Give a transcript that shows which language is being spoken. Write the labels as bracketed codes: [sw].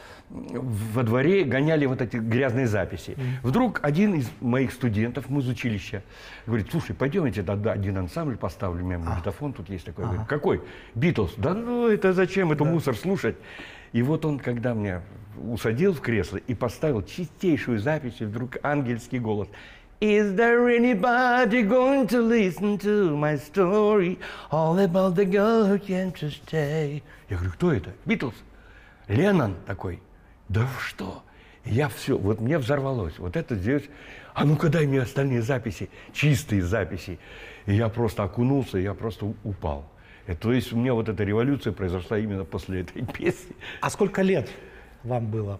[ru] Во дворе гоняли вот эти грязные записи. Вдруг один из моих студентов музучилища говорит, слушай, пойдем, я тебе один ансамбль поставлю, у меня магнитофон тут есть такой. Говорит, какой? Битлз. Да ну это зачем, это мусор слушать. И вот он, когда меня усадил в кресло и поставил чистейшую запись, и вдруг ангельский голос. [en] Is there anybody going to listen to my story all about the girl who came to stay? [ru] Я говорю, кто это? Битлз. Леннон такой, да что? Я все, вот мне взорвалось, вот это здесь, а ну-ка дай мне остальные записи, чистые записи. И я просто окунулся, я просто упал. И, то есть у меня вот эта революция произошла именно после этой песни. А сколько лет вам было?